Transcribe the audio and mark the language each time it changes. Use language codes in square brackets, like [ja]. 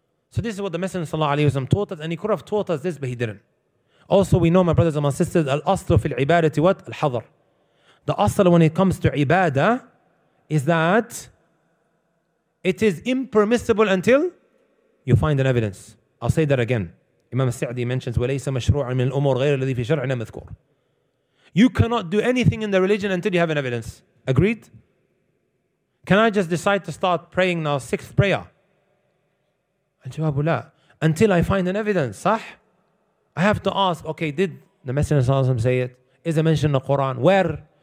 [en] So this is what the Messenger sallallahu alayhi wa sallam taught us, and he could have taught us this, but he didn't. Also, we know, my brothers and my sisters, [ar] الْأَصْلُ فِي الْعِبَادَةِ [en] what? [ar] الْحَضَرِ. [en] The asal when it comes to ibadah is that it is impermissible until you find an evidence. I'll say that again. Imam Sa'di mentions, [ar] وَلَيْسَ مَشْرُوعًا مِنْ الْأُمُورِ غَيْرَ الَّذِي فِي شَرْعِنَا مَذْكُورٍ. [en] You cannot do anything in the religion until you have an evidence. Agreed? Can I just decide to start praying now, sixth prayer? [ar] الجوابُ لا. [en] Until I find an evidence, [ar] صح? [en] I have to ask, okay, did the Messenger of Allah say it? Is it mentioned in the Quran? Where?